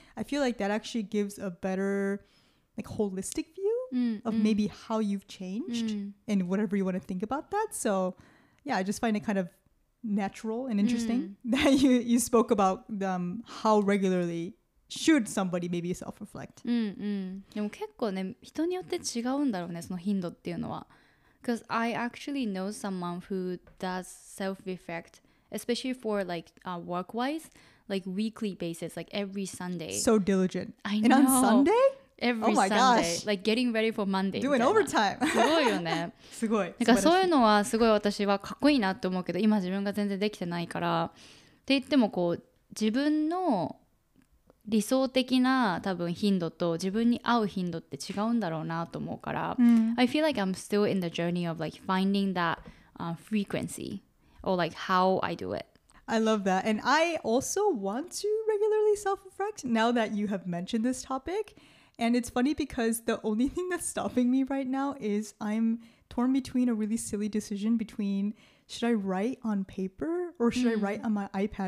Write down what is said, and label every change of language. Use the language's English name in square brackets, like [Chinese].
[English] I feel like that actually gives a better, like, holistic view of maybe how you've changed and whatever you want to think about that. So, yeah, I just find it kind of natural and interesting that you spoke about how regularly should somebody maybe self-reflect. [Japanese] でも結構ね、人によって違うんだろうね、その頻度っていうのは。 [English] Because I actually know someone who does self-reflect. Especially for like work-wise, like weekly basis, like every Sunday. So diligent. I know. And on Sunday? Every Sunday. Oh my gosh. Like getting ready for Monday. Doing overtime. [Japanese] すごいよね。すごい。なんかそういうのはすごい私はかっこいいなって思うけど、今自分が全然できてないから。って言ってもこう、自分の理想的な多分頻度と自分に合う頻度って違うんだろうなと思うから。 [English] I feel like I'm still in the journey of like finding that frequency. Or like how I do it. I love that. And I also want to regularly self-reflect now that you have mentioned this topic. And it's funny because the only thing that's stopping me right now is I'm torn between a really silly decision between should I write on paper or should I write on my iPad?